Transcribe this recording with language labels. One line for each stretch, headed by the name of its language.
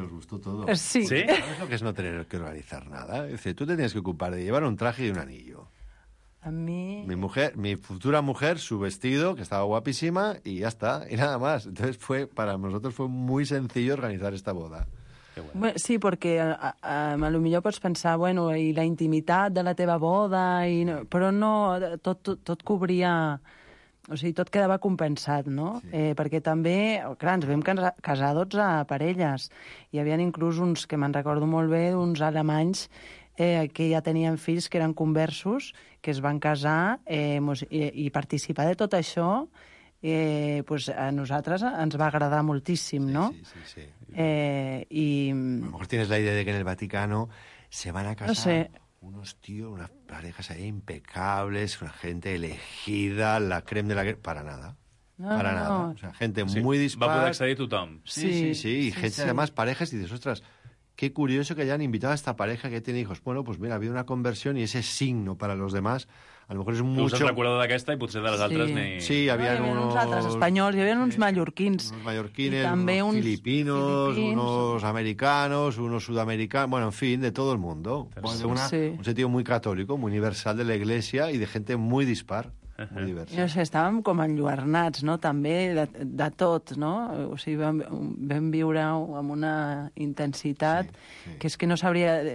Spanish: ¿Os gustó todo? Sí. ¿Sí? ¿Sabes lo que es no tener que organizar nada? Es decir, tú te tienes que ocupar de llevar un traje y un anillo. A mí... Mi futura mujer, su vestido, que estaba guapísima, y ya está, y nada más. Entonces para nosotros fue muy sencillo organizar esta boda. Bueno.
Catalan: Sí, perquè a lo millor pots pensar, bueno, i la intimitat de la teva boda, i no, però no, tot cobria, o sigui, tot quedava compensat, no? Sí. Perquè també, clar, ens vam casar 12 parelles, hi havia inclús uns, que me'n recordo molt bé, uns alemanys que ja tenien fills, que eren conversos, que es van casar, i participar de tot això... pues a nosaltres ens va agradar moltíssim, sí, no? Sí.
Spanish: A lo mejor tienes la idea de que en el Vaticano se van a casar unos tíos, unas parejas ahí impecables, una gente elegida, la crema de la crema... Para nada. O sea, gente muy dispar. Va a poder acceder
Catalan: tothom.
Spanish: Sí. Y gente, además, parejas, y dices, ostras, qué curioso que hayan invitado a esta pareja que tiene hijos. Bueno, pues mira, ha habido una conversión y ese signo para los demás... A lo mejor es mucho...
Catalan: Us has recordat d'aquesta i potser de les altres ni... Sí, hi havia uns altres espanyols, hi havia uns mallorquins.
Spanish: Uns mallorquines, uns filipinos, uns americanos, uns sud-americanos... Bueno, en fin, de todo el mundo. Un sentido muy católico, muy universal de la iglesia y de gente muy dispar.
Catalan: Molt divers. No sé, estàvem com enlluernats, no?, també de tot, no? O sigui, vam viure amb una intensitat que és que no sabria...